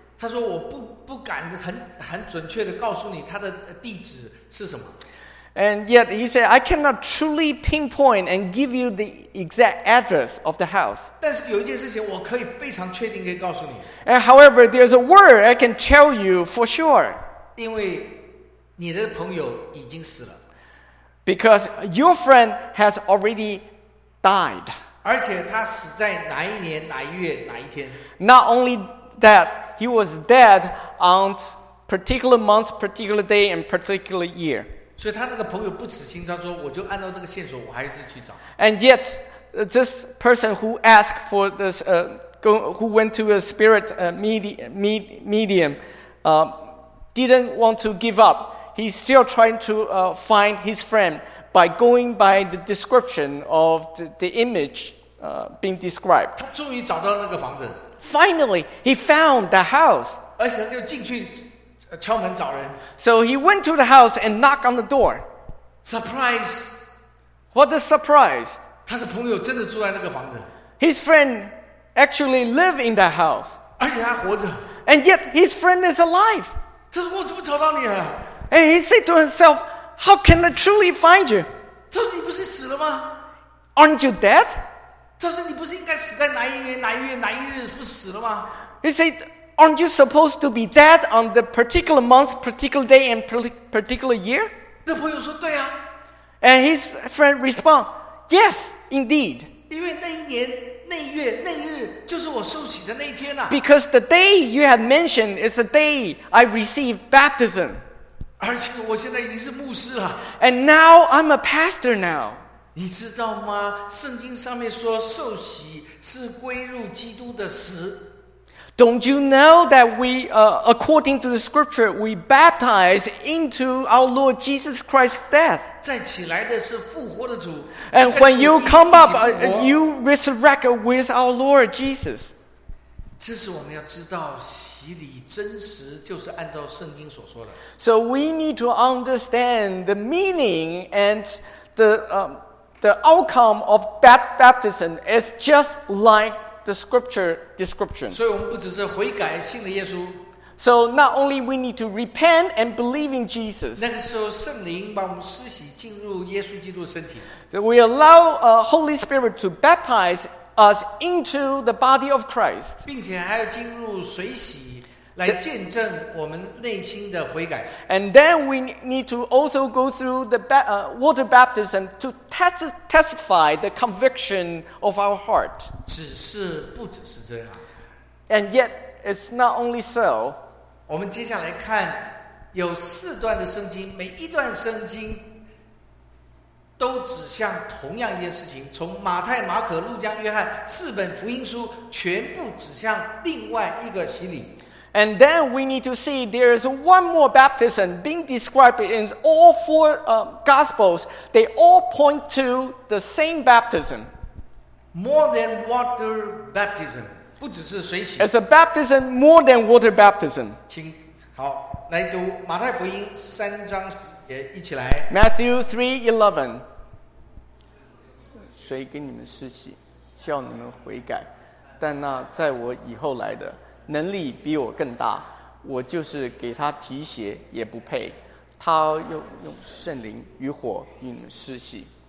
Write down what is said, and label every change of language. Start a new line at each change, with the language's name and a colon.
Chinese: 他说我不敢很准确的告诉你他的地址是什么。
English: And yet he said, I cannot truly pinpoint and give you the exact address of the house.
Chinese: 但是有一件事情我可以非常确定可以告诉你。
English: And however, there's a word I can tell you for sure.
Chinese: 因为你的朋友已经死了。
English: Because your friend has already died.
Chinese: 而且他死在哪一年哪一月哪一天。
English: Not only that, he was dead on particular month, particular day, and particular year.
Chinese: 所以他那个朋友不死心，他说我就按照这个线索我还是去找。
English: And yet, this person who asked for this, who went to a spirit medium, didn't want to give up. He's still trying to find his friend by going by the description of the image being described.
Chinese: 他终于找到那个房子。
English: Finally, he found the house.
Chinese: 而且他就进去敲门找人。
English: So he went to the house and knocked on the door. Surprise! What a surprise!
Chinese: 他的朋友真的住在那个房子。
English: His friend actually lived in that house.
Chinese: 而且他活着。
English: And yet his friend is alive.
Chinese: 他说我怎么找到你啊？
English: And he said to himself, how can I truly find you?
Chinese: 他说你不是死了吗？
English: Aren't you dead?
Chinese: 他说你不是应该死在哪一年哪一月哪一日不死了吗？
English: He said, aren't you supposed to be dead on the particular month, particular day and particular year?
Chinese: 那朋友说对啊。
English: And his friend responded, yes, indeed.
Chinese: 因为那一年那一月那一日就是我受洗的那一天啊。
English: Because the day you have mentioned is the day I received baptism.
Chinese: 而且我现在已经是牧师了。
English: And now I'm a pastor now.
Chinese: 你知道吗？圣经上面说受洗是归入基督的死。
English: Don't you know that we, according to the scripture, we baptize into our Lord Jesus Christ's death?
Chinese: 再起来的是复活的主。
English: And when you come up, you resurrect with our Lord Jesus.
Chinese: 这是我们要知道洗礼真实就是按照圣经所说的。
English: So we need to understand the meaning and the outcome of that baptism is just like the scripture description.
Chinese: 所以我们不只是悔改信了耶稣。
English: So not only we need to repent and believe in Jesus.
Chinese: 那个时候圣灵把我们施洗进入耶稣基督的身体。
English: So we allow Holy Spirit to baptize us into the body of Christ.
Chinese: 并且还要进入水洗来见证我们内心的悔改。
English: And then we need to also go through the water baptism to testify the conviction of our heart.
Chinese: 只是不只是这样。
English: And yet it's not only so.
Chinese: 我们接下来看有四段的圣经，每一段圣经都指向同样一件事情，从马太、马可、路加、约翰四本福音书全部指向另外一个洗礼。
English: And then we need to see there is one more baptism being described in all four Gospels. They all point to the same baptism. More than water baptism.
Chinese: 不只是水洗。
English: It's a baptism more than water baptism.
Chinese: 请好来读马太福音三章也一起来。
English: Matthew 3:11.
Chinese: 谁给你们施洗，叫你们悔改，但那在我以后来的能力比我更大，我就是给他提鞋也不配，他又用圣灵与火与你们施洗。